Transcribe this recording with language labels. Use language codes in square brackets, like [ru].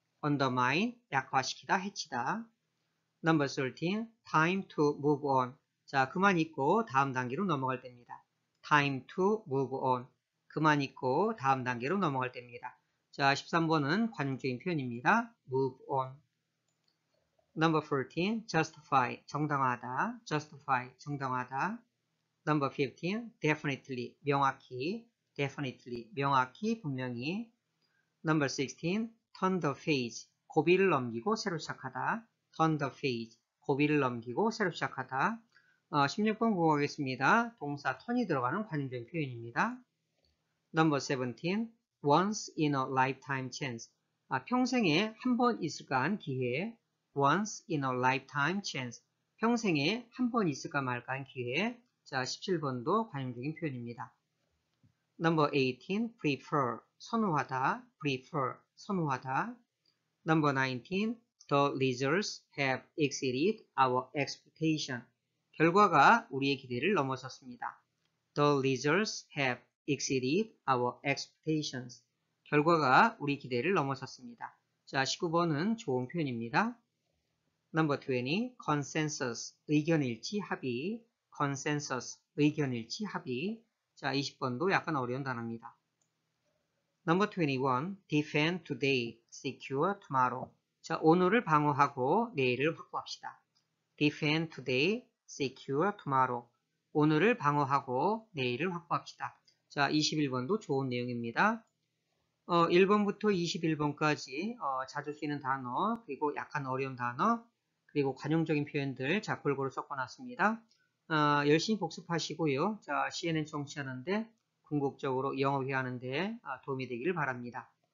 [en] Undermine. [ko] 약화시키다. 해치다. [en] Number 13. Time to move on. [ko] 자, 그만 있고 다음 단계로 넘어갈 때입니다. [en] Time to move on. [ko] 그만 있고 다음 단계로 넘어갈 때입니다. 자, 13번은 관용적인 표현입니다. [en] Move on. Number 14, justify, [ko] 정당화하다, [en] justify, 정당화하다. Number 15, definitely, [ko] 명확히, [en] definitely, 명확히, [ko] 분명히. [en] Number 16, turn the page, [ko] 고비를 넘기고 새로 시작하다, turn the page, 고비를 넘기고 새로 시작하다. 16번 공부하겠습니다. 동사 turn이 들어가는 관용적인 표현입니다. [en] Number 17, once in a lifetime chance, [ko] 평생에 한번 있을까 한 기회. [en] Once in a lifetime chance. [ko] 평생에 한번 있을까 말까 한 기회. 자, 17번도 관용적인 표현입니다. [en] Number 18, prefer. [ko] 선호하다. [en] prefer. 선호하다. Number 19, the results have exceeded our expectation. [ko] 결과가 우리의 기대를 넘어섰습니다. [en] The results have exceeded our expectations. [ko] 결과가 우리 기대를 넘어섰습니다. 자, 19번은 좋은 표현입니다. [en] Number 20, consensus, [ko] 의견일치 합의. [en] consensus, [ko] 의견일치 합의. 자, 20번도 약간 어려운 단어입니다. [en] Number 21, defend today, secure tomorrow. [ko] 자, 오늘을 방어하고 내일을 확보합시다. [en] defend today, secure tomorrow. [ko] 오늘을 방어하고 내일을 확보합시다. 자, 21번도 좋은 내용입니다. 1번부터 21번까지 자주 쓰이는 단어, 그리고 약간 어려운 단어, 그리고 관용적인 표현들, 자, 골고루 섞어놨습니다. 열심히 복습하시고요. 자, CNN 청취하는데, 궁극적으로 영어 회화하는데 도움이 되기를 바랍니다.